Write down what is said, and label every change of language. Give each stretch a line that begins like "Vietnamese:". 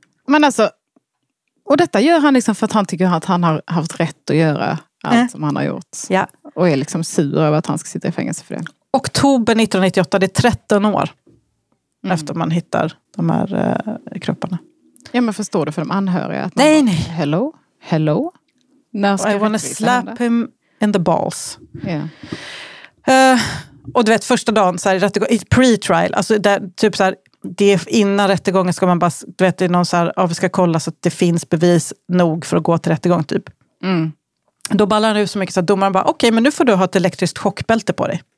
Swedish: Men alltså, och detta gör han liksom för att han tycker att han har haft rätt att göra allt som han har gjort. Ja. Och är liksom sur över att han ska sitta i fängelse för det. Oktober 1998, det är 13 år efter man hittar de här kropparna. Ja, men förstår du för de anhöriga? Att nej, bara, nej.
English: Hello? Hello? I want to slap him in the balls. Yeah.
Swedish: Och du vet, första dagen så här, i pre-trial, alltså där, typ så här, det innan rättegången ska man bara, du vet, det är någon så här, ja, vi ska kolla så att det finns bevis nog för att gå till rättegång, typ. Mm. Då ballar han ut så mycket så att domaren bara, okej, men nu får du ha ett elektriskt chockbälte på dig.